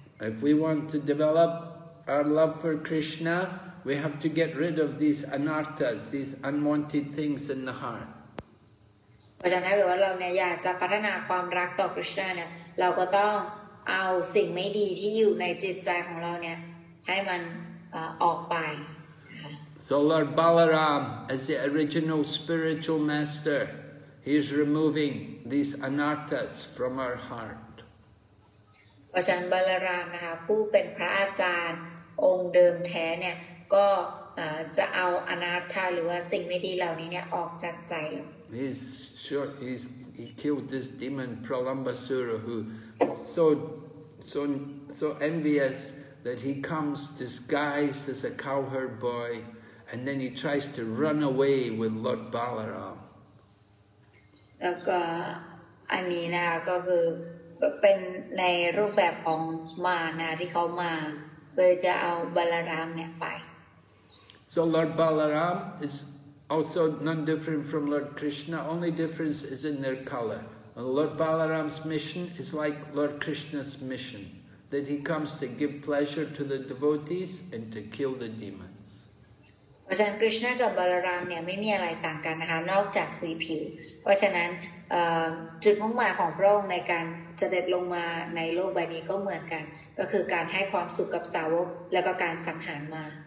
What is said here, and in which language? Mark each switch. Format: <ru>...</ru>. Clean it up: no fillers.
<en>If we want to develop our love for Krishna we have to get rid of these anarthas these unwanted things in the heart</en> <th>เพราะฉะนั้นถ้าเกิดว่าเราเนี่ยอยากจะพัฒนาความรักต่อคริสต์เนี่ยเราก็ต้องเอาสิ่งไม่ดีที่อยู่ในจิตใจของเราเนี่ยให้มันออกไป</th> <en>So Lord Balaram as the original spiritual master he is removing these anarthas from our heart</en> <th>เพราะฉะนั้นบาลารามนะคะผู้เป็นพระอาจารย์องค์เดิมแท้เนี่ยก็จะเอาอนาถาหรือว่าสิ่งไม่ดีเหล่านี้เนี่ยออกจากใจเรา</th> <en>He killed this demon Pralambasura who so envious that he comes disguised as a cowherd boy and then he tries to run away with Lord Balaram.</en> <th>แล้วก็อันนี้นะก็คือเป็นในรูปแบบของมานะที่เขามาเพื่อจะเอาบาลารามเนี่ยไป</th> <en>So Lord Balaram isAlso none different from Lord Krishna, only difference is in their color. And Lord Balaram's mission is like Lord Krishna's mission, that he comes to give pleasure to the devotees and to kill the demons.</en> <th>ราะฉะนั้นคริชนากับบาลารามเนี่ยไม่มีอะไรต่างกันนะคะนอกจากสีผิวเพราะฉะนั้นจุดมุ่งหมายของพระองค์ในการเสด็จลงมาในโลกใบนี้ก็เหมือนกันก็คือการให้ความสุขกับสาวกและก็การสังหารมา</th>